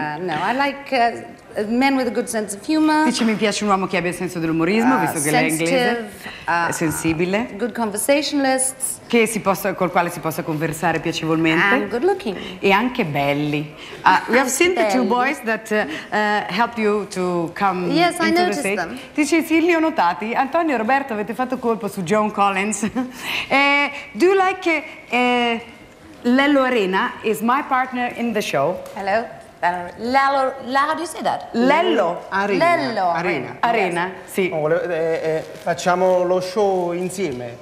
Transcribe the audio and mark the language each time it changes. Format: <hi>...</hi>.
<en>no, I like men with a good sense of humor.</en> <it>Dice, mi piace un uomo che abbia il senso dell'umorismo, visto che lei è inglese. Sensibile.</it> <en>Good conversationalists.</en> <it>Che si possa, col quale si possa conversare piacevolmente.</it> <en>And good looking.</en> <it>E anche belli.</it> <en>We have seen the two boys that helped you to come yes, into I noticed the stage. Them.</en> <it>Dice, sì, li ho notati. Antonio e Roberto, avete fatto colpo su Joan Collins.</it> <en>do you like Lello Arena is my partner in the show. Hello. Lello, how do you say that? Lello. Arena. Lello. Arena. Yes. Arena, sì.</en> <it>Oh, facciamo lo show insieme.</it>